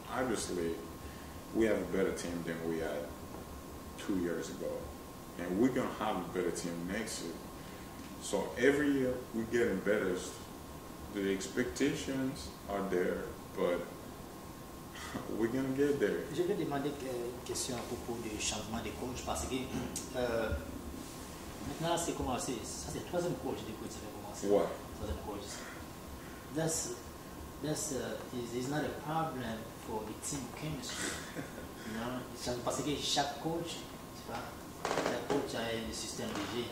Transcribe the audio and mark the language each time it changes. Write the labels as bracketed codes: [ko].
[en] Obviously, we have a better team than we had 2 years ago. And we're going to have a better team next year. So every year, we're getting better. The expectations are there, but we're going to get there. [fr] Je vais demander une question à propos du changement de coach, parce que maintenant, c'est commencé. Ça, c'est le troisième coach depuis que ça a commencé. [en] What? [fr] Troisième coach. [en] That's not a problem for the team chemistry, you know. [fr] Just parce que chaque coach, tu vois, chaque coach a un système de jeu.